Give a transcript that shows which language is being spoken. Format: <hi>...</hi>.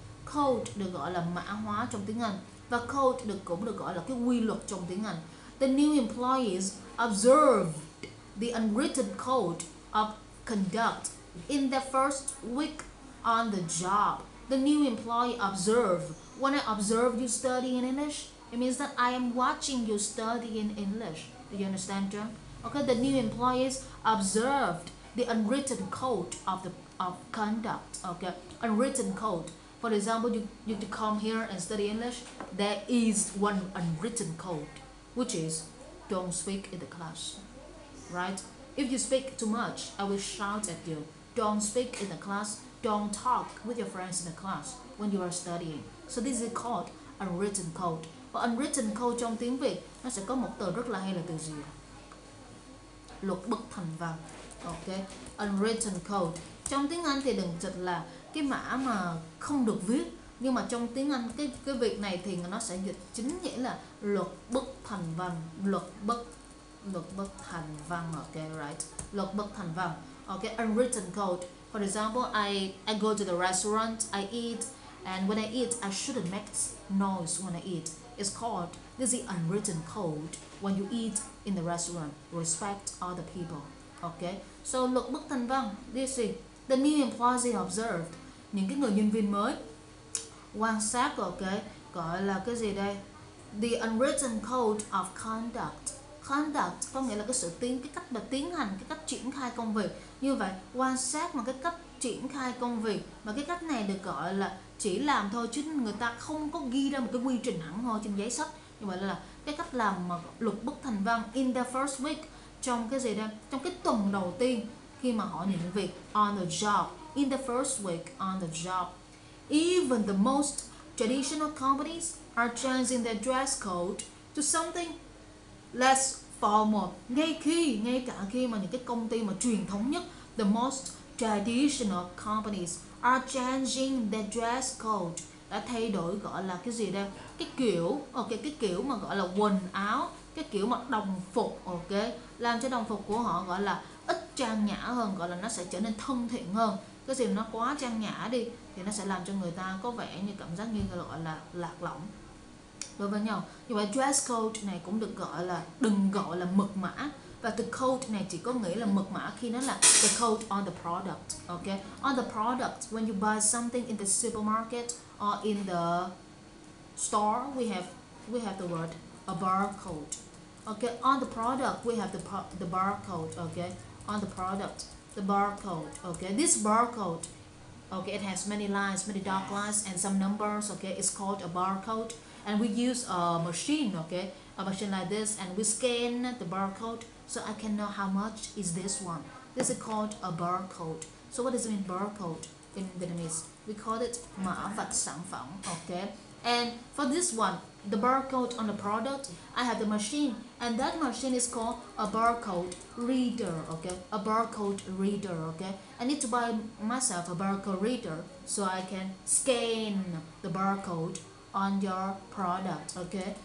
<vi>Code được gọi là mã hóa trong tiếng Anh, và code được cũng được gọi là cái quy luật trong tiếng Anh.</vi> <en>The new employees observed the unwritten code of conduct in their first week on the job. The new employee observed. When I observe you study in English, it means that I am watching you study in English. Do you understand, John? Okay, the new employees observed the unwritten code of the of conduct. Okay, unwritten code. For example, you to come here and study English. There is one unwritten code, which is don't speak in the class, right? If you speak too much, I will shout at you. Don't speak in the class. Don't talk with your friends in the class when you are studying. So this is called unwritten code.</en> <vi>Và unwritten code trong tiếng Việt nó sẽ có một từ rất là hay là từ gì? Luật bất thành văn, okay? Unwritten code. Trong tiếng Anh thì đừng dịch là cái mã mà không được viết, nhưng mà trong tiếng Anh cái việc này thì nó sẽ dịch chính nghĩa là luật bất thành văn, luật bất thành văn, okay, right? Luật bất thành văn, okay? Unwritten code.</vi> <en>For example, I go to the restaurant, I eat, and when I eat, I shouldn't make noise when I eat. It's called, this is the unwritten code when you eat in the restaurant. Respect other people, okay? So</en> <vi>luật bất thành văn,</vi> <en>this is the new employee observed.</en> <vi>Những cái người nhân viên mới quan sát, okay, gọi là cái gì đây?</vi> <en>The unwritten code of conduct.</en> <vi>Conduct có nghĩa là cái sự tiến, cái cách mà tiến hành, cái cách triển khai công việc. Như vậy, quan sát mà cái cách triển khai công việc, mà cái cách này được gọi là chỉ làm thôi, chứ người ta không có ghi ra một cái quy trình hẳn hoi trên giấy sách. Như vậy là cái cách làm mà luật bất thành văn</vi> <en>in the first week,</en> <vi>trong cái gì đây? Trong cái tuần đầu tiên khi mà họ nhận việc,</vi> <en>on the job, in the first week on the job. Even the most traditional companies are changing their dress code to something less formal.</en> <vi>Ngay cả khi mà những cái công ty mà truyền thống nhất,</vi> <en>the most traditional companies are changing their dress code,</en> <vi>đã thay đổi gọi là cái gì đây, cái kiểu, ok, cái kiểu mà gọi là quần áo, cái kiểu mặc đồng phục, ok, làm cho đồng phục của họ gọi là ít trang nhã hơn, gọi là nó sẽ trở nên thân thiện hơn. Cái gì mà nó quá trang nhã đi thì nó sẽ làm cho người ta có vẻ như cảm giác như gọi là lạc lõng đối với nhau. Như vậy dress code này cũng được gọi là, đừng gọi là mật mã. Và the code này chỉ có nghĩa là mật mã khi nó là</vi> <en>the code on the product,</en> <vi>okay?</vi> <en>On the product, when you buy something in the supermarket or in the store, we have the word a barcode, okay? On the product, we have the barcode, okay? On the product, the barcode, okay? This barcode, okay, it has many lines, many dark lines and some numbers, okay? It's called a barcode. And we use a machine, okay? A machine like this, and we scan the barcode. So I can know how much is this one. This is called a barcode. So what does it mean barcode in Vietnamese? We call it</en> <vi>mã vạch sản phẩm,</vi> <en>okay? And for this one, the barcode on the product, I have the machine, and that machine is called a barcode reader, okay? A barcode reader, okay? I need to buy myself a barcode reader so I can scan the barcode on your product, okay?</en>